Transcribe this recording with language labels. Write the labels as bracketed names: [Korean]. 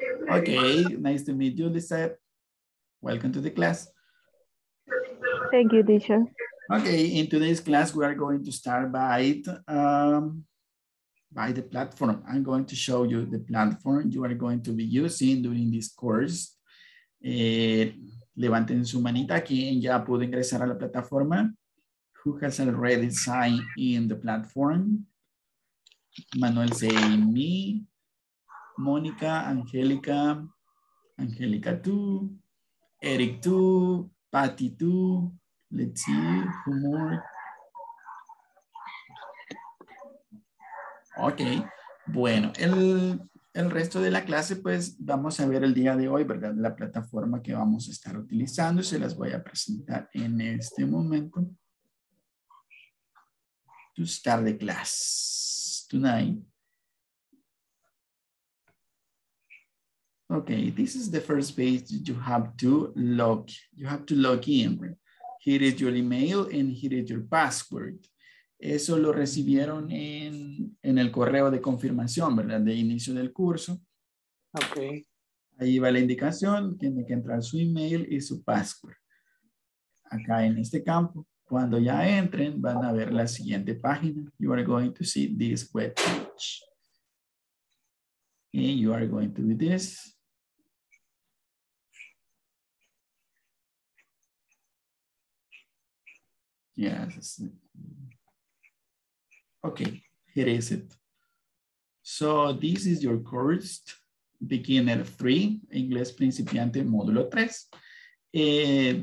[English] Okay, nice to meet you, Lisette. Welcome to the class. Thank you, teacher. Okay, in today's class, we are going to start by the platform. I'm going to show you the platform you are going to be using during this course. [Spanish] Levanten su manita, quien ya pudo ingresar a la plataforma. [English] Who has already signed in the platform? Manuel say me. Monica, Angelica. Angelica too. Eric too. Patty too. Let's see, who more? [Spanish] Okay, bueno, el resto de la clase, pues vamos a ver el día de hoy, ¿verdad? La plataforma que vamos a estar utilizando, se las voy a presentar en este momento. [English] To start the class tonight. Okay, this is the first page you have to log. You have to log in. Here is your email and here is your password. [Spanish] Eso lo recibieron en el correo de confirmación, ¿verdad? De inicio del curso. [English] Okay. [Spanish] Ahí va la indicación, tiene que entrar su email y su password. Acá en este campo, cuando ya entren, van a ver la siguiente página. [English] You are going to see this web page. And you are going to do this. Yes. Okay, here is it. So this is your course, Beginner 3, Inglés Principiante Módulo 3.